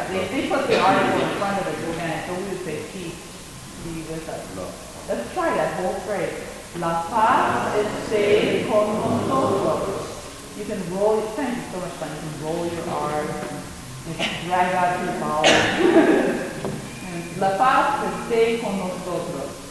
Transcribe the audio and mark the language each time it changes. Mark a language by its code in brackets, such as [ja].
[en] They put the article in front of it, and so we would say, peace be with us. No. Let's try that whole phrase. [es] La paz esté con nosotros. [en] You can roll, it's kind of so much fun, you can roll your R's, and drag out your vowels. [es] La paz esté con nosotros.